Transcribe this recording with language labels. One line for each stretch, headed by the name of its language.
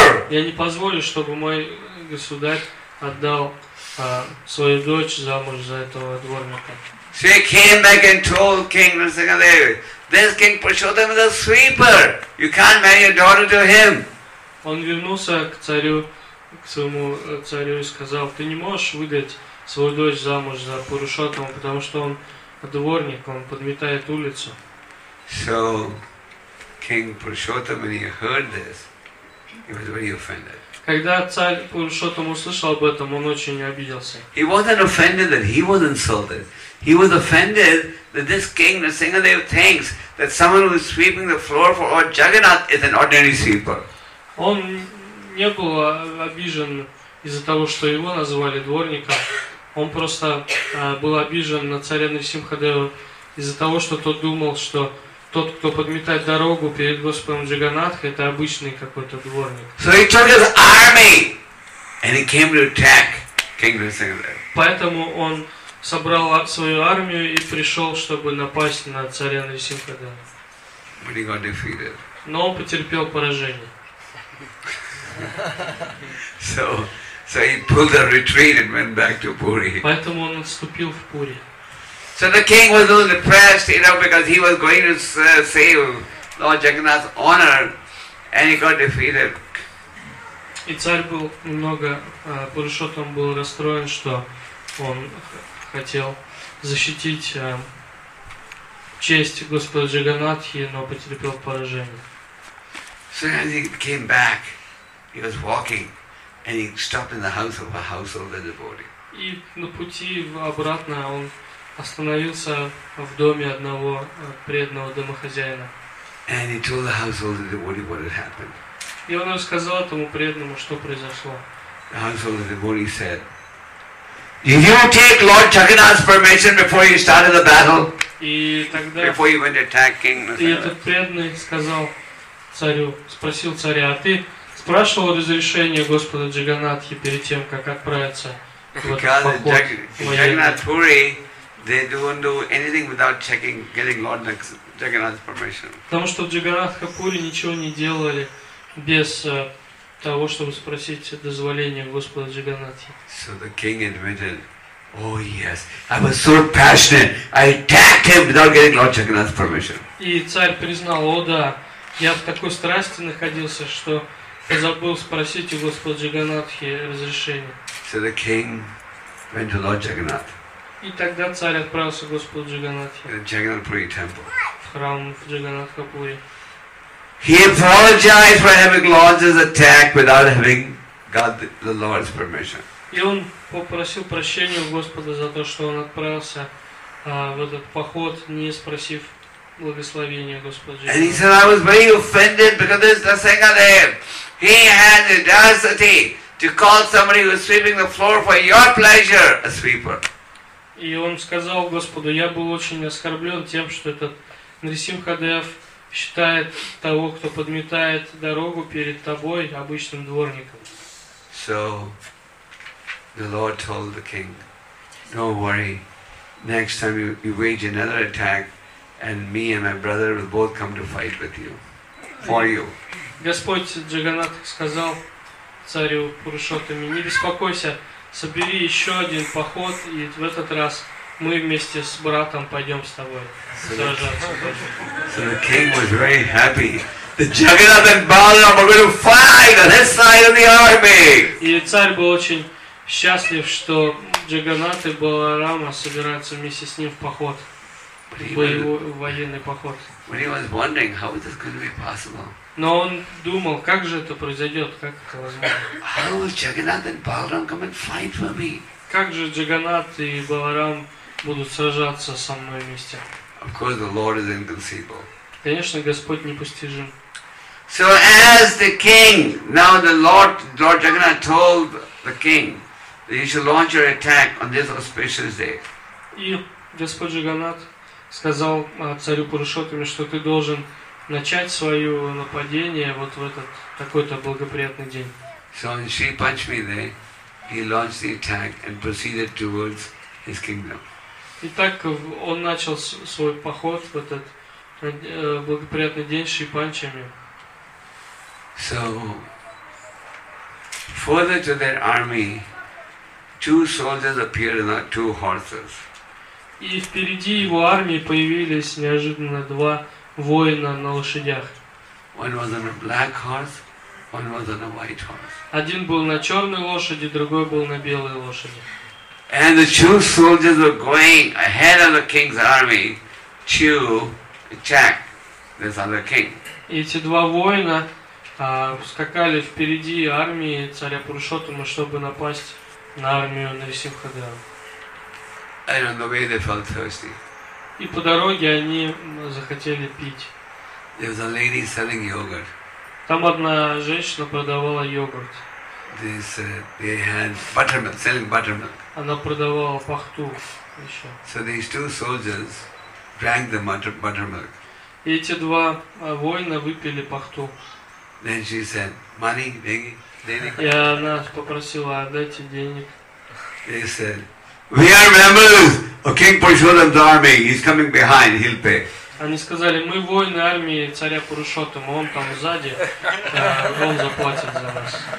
Russian: Я не позволю, чтобы мой государь отдал свою дочь замуж за этого дворника.
English: So he came back and told King Narsingadev, this King Purushottam is a sweeper, you can't marry your daughter to him.
Russian: Он вернулся к своему царю и сказал, ты не можешь выдать свою дочь замуж за Пурушоттама, потому что он дворник, он подметает улицу.
English: So King Purushottam, when he heard this, he was very offended.
Russian: Когда царь Пурушоттам услышал об этом, он очень обиделся.
English: He wasn't offended that he was insulted. He was offended that this king, the Singhadev, thinks that someone who is sweeping the floor for Lord Jagannath is an ordinary sweeper.
Russian: Он не был обижен из-за того, что его назвали дворником. Он просто был обижен на царя Нарсимхадева из-за того, что тот думал, что тот, кто подметает дорогу перед Господом Джаганатхой, это обычный какой-то дворник.
English: So he took his army and he came to attack King Narasimhadeva.
Russian: Поэтому он собрал свою армию и пришел, чтобы напасть на царя Нарсимхадева.
English: But he got defeated.
Russian: Но он потерпел поражение.
English: So he pulled a retreat and went back to Puri.
Russian: Поэтому он отступил в Пури.
English: So the king was a little depressed, you know, because he was going to save Lord Jagannath's honor, and he got defeated.
Russian: И царь был немного, Пурушоттам был расстроен, что он хотел защитить честь Господа Джаганатхи, но потерпел поражение.
English: So as he came back, he was walking, and he stopped in the house of a householder devotee.
Russian: И на пути обратно он остановился в доме одного преданного домохозяина.
English: And he told the householder devotee what had happened.
Russian: И он рассказал этому преданному, что произошло.
English: The householder devotee said, "Did you take Lord Jagannath's permission before you started the battle?"
Russian: И тогда,
English: before you went attacking.
Russian: И этот преданный сказал царю, спросил царя, а ты спрашивал разрешение Господа Джаганатхи перед тем, как отправиться в этот поход?
English: They don't do anything without checking, getting Lord Jagannath's permission.
Russian: Потому что в Джаганатхапуре ничего не делали без того, чтобы спросить дозволения Господа Джаганатхи.
English: So the king admitted, "Oh yes, I was so passionate, I attacked him without getting Lord Jagannath's permission."
Russian: И царь признал, "О да, я в такой страсти находился, что забыл спросить у Господа Джаганатхи разрешения."
English: So the king went to Lord Jagannath.
Russian: И тогда царь отправился к Господу Джаганатхи в храм в Джаганатхапуре.
English: He apologized for having launched his attack without having got the Lord's permission.
Russian: И он попросил прощения у Господа за то, что он отправился в этот поход, не спросив благословения Господа Джаганатхи.
English: And he said, "I was very offended because this Nrsimhadev, he had the audacity to call somebody who was sweeping the floor for your pleasure a sweeper."
Russian: И он сказал Господу, я был очень оскорблен тем, что этот Нарсимхадев считает того, кто подметает дорогу перед тобой, обычным дворником.
English: So, the Lord told the king, "Don't worry, next time you wage another attack, and me and my brother will both come to fight with you, for you."
Russian: Господь Джаганат сказал царю Пурушоттаме, не беспокойся, собери еще один поход, и в этот раз мы вместе с братом пойдем с тобой сражаться.
English: So the king was very happy. The Jagannath and Balaram are going to fight on his side of the army.
Russian: И царь был очень счастлив, что Джаганат и Баларама собираются вместе с ним в поход, военный поход.
English: When he was wondering how is this going to be possible.
Russian: Но он думал, как же это произойдет, как это возможно? Как же Джаганат и Баларам будут сражаться со мной вместе?
English: Of course, the Lord is inconceivable.
Russian: Конечно, Господь непостижим.
English: So as the king, now the Lord Jagannath told the king that you should launch your attack on this auspicious day.
Russian: И Господь Джаганат сказал царю Пурушоттаме, что ты должен начать свое нападение вот в этот такой-то благоприятный день.
English: So in Sri Panchmide, he launched the attack and proceeded towards his kingdom.
Russian: Итак, он начал свой поход в этот благоприятный день Шри Панчами.
English: So further to their army, two soldiers appeared on two horses.
Russian: И впереди его армии появились неожиданно два воина на лошадях.
English: One was on a black horse, one was on a white horse.
Russian: Один был на черной лошади, другой был на белой лошади.
English: And the two soldiers were going ahead of the king's army to attack this other king.
Russian: Эти два воина скакали впереди армии царя Пурушоттама, чтобы напасть на армию Нарисимхадева.
English: And on the way they felt thirsty.
Russian: И по дороге они захотели пить.
English: There was a lady selling yogurt.
Russian: Там одна женщина продавала йогурт.
English: They said they had buttermilk, selling buttermilk.
Russian: Она продавала пахту еще.
English: So these two soldiers drank the buttermilk.
Russian: И эти два воина выпили пахту.
English: Then she said, money,
Russian: деньги, денег. И она попросила, дайте денег.
English: They said, we are members of King Purushottam's army. He's coming behind. He'll pay.
Russian: Они сказали, мы воины армии царя Пурушоттама, он там сзади, он заплатит за нас.